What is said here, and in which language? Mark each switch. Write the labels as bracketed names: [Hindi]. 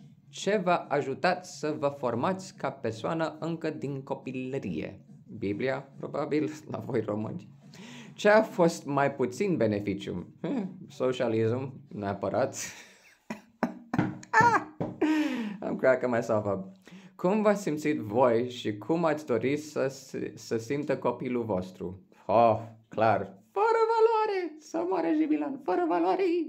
[Romanian] Ce va ajuta să vă formați ca persoană încă din copilărie? Biblia, probabil, la voi români. Ce a fost mai puțin beneficiu? Socialism, neapărat. [English] I'm cracking myself up. [Romanian] Cum v-ați simțit voi și cum ați dori să simtă copilul vostru? Oh, clar. Fără valoare, să moară jubilant, fără valoare.